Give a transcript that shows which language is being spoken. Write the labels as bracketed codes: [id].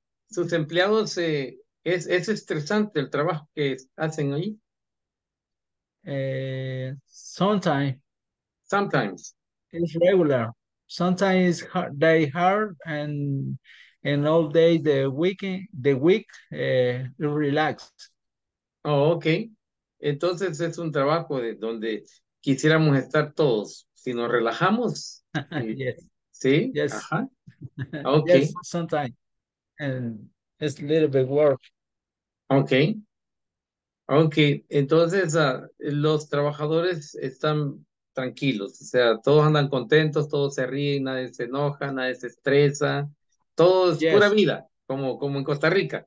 [es] Sus empleados es estresante el trabajo que hacen ahí. [en] Sometimes it's regular. Sometimes it's hard, day hard and all day the week relaxed. Oh, okay. [es] Entonces es un trabajo de donde quisiéramos estar todos. Si nos relajamos, [en] yes. [es] Sí. [en] Yes. Ajá. Okay. Yes, sometimes and it's a little bit work. Okay. [es] Okay, entonces los trabajadores están tranquilos, o sea, todos andan contentos, todos se ríen, nadie se enoja, nadie se estresa, todo es yes. Pura vida, como en Costa Rica,